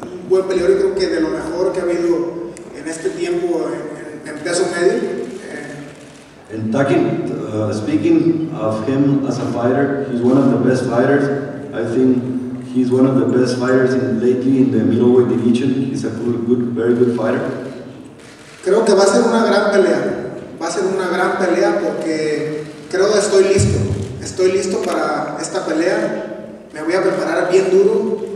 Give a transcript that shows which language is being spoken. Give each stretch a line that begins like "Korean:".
Spanish: Buen peleador, y creo que de lo mejor que ha habido en este tiempo en peso medio.
English: And speaking of him as a fighter, he's one of the best fighters. I think he's one of the best fighters lately in the middleweight division. He's a good, very good fighter.
Spanish: Creo que va a ser una gran pelea. Va a ser una gran pelea porque creo que estoy listo. Estoy listo para esta pelea. Me voy a preparar bien duro.